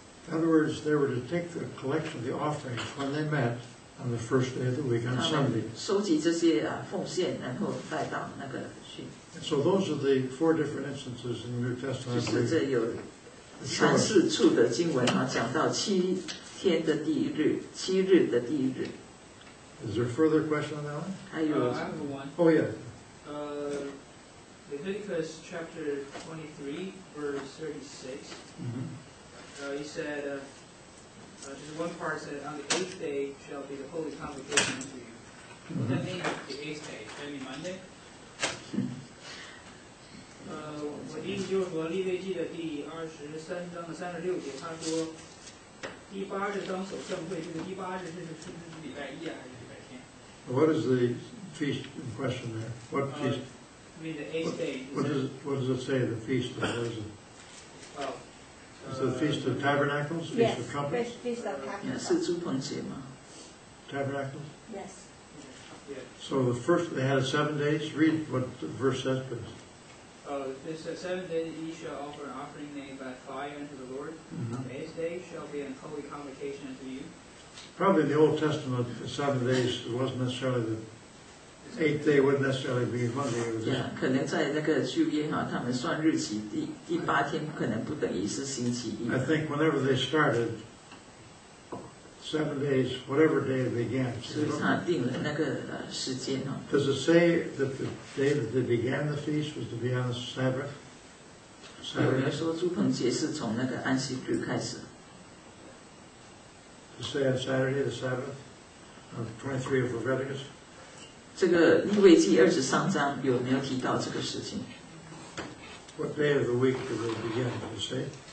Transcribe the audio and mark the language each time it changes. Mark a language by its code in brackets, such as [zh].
[en] In other words, they were to take the collection of the offerings when they met. On the first day of the week, on Sunday. [zh] 收集这些奉献，然后带到那个去。 [en] So those are the four different instances in the New Testament. [zh] 就是这有三四处的经文啊，讲到七天的第一日，七日的第一日。 [en] Is there further question on that one? [zh] 还有。 [en] I have one. Oh yeah. Leviticus chapter 23, verse 36. Mm-hmm. He said. Just one part said, on the eighth day shall be the holy convocation unto you. What does that mean, the eighth day? Does that mean Monday? [zh] 我弟兄就是说《利未记》的第二十三章的三十六节，他说第八日当守圣会，这个第八日是不是礼拜一啊，还是礼拜天？ [en] What is the feast in question there? What feast? I mean the eighth day. What does it say, the feast of Moses? Is the Feast of Tabernacles? Yes, Feast of Trumpets? Feast of Tabernacles. [zh] 是祝棚节吗? [en] Tabernacles? Yes. So the first, they had 7 days. Read what the verse says, please. This says, 7 days ye shall offer an offering made by fire unto the Lord. Mm-hmm. The eighth day shall be an holy convocation unto you. Probably in the Old Testament, the 7 days wasn't necessarily the eighth day wouldn't necessarily be Monday. [zh] Yeah, 可能在那个旧约哈，他们算日期第八天可能不等于是星期一。 [en] I think whenever they started, 7 days, whatever day they began. [zh] 所以他定了那个时间哈。 [en] Does it say that the day that they began the feast was to be on the Sabbath? [zh] 有人说祝棚节是从那个安息日开始。 [en] To say on Saturday the Sabbath, on 23 of Leviticus. [zh] 这个《利未记》二十三章有没有提到这个事情 [en] ？What day of the week do they begin? Did you say?